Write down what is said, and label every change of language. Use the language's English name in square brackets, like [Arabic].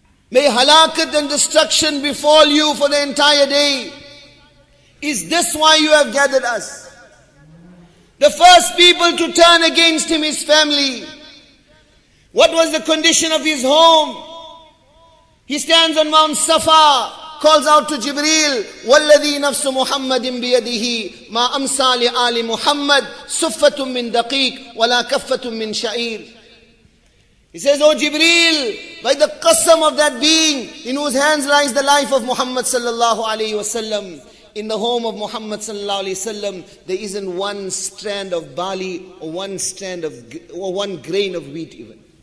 [English] May halakat and destruction befall you for the entire day. Is this why you have gathered us? The first people to turn against him, his family. What was the condition of his home? He stands on Mount Safa. Calls out to Jibreel, [Arabic] وَالَّذِي نَفْسُ مُحَمَّدٍ بِيَدِهِ مَا أَمْسَى لِآلِ مُحَمَّدٍ سُفَّةٌ مِّن دَقِيقٍ وَلَا كَفَّةٌ مِّن شَعِيرٍ. [English] He says, "Oh Jibreel, by the qasam of that being in whose hands lies the life of Muhammad sallallahu alayhi wasallam, in the home of Muhammad sallallahu alayhi wasallam, there isn't one strand of barley or one strand of or one grain of wheat even.